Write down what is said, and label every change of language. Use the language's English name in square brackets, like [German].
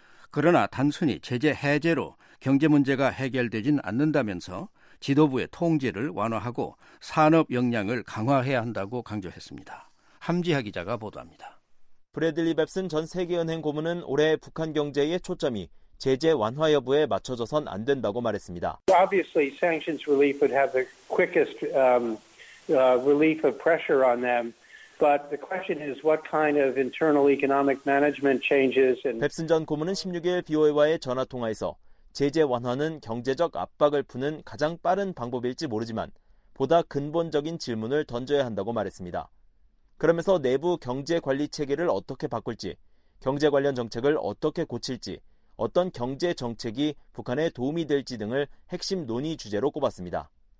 [Korean] 그러나 단순히 제재 해제로 경제 문제가 해결되진 않는다면서 지도부의 통제를 완화하고 산업 역량을 강화해야 한다고 강조했습니다. 함지하 기자가 보도합니다. 브래들리 밥슨 전 세계은행 고문은 올해 북한 경제의 초점이 제재 완화 여부에 맞춰져선 안 된다고 말했습니다. [English] Obviously, sanctions relief would have the quickest relief of pressure on them. But the question is what kind of internal economic management changes. [Korean] 밥슨 전 고문은 16일 BOA와의 전화 통화에서 제재 완화는 경제적 압박을 푸는 가장 빠른 방법일지 모르지만 보다 근본적인 질문을 던져야 한다고 말했습니다. 그러면서 내부 경제 관리 체계를 어떻게 바꿀지, 경제 관련 정책을 어떻게 고칠지, 어떤 경제 정책이 북한에 도움이 될지 등을 핵심 논의 주제로 꼽았습니다.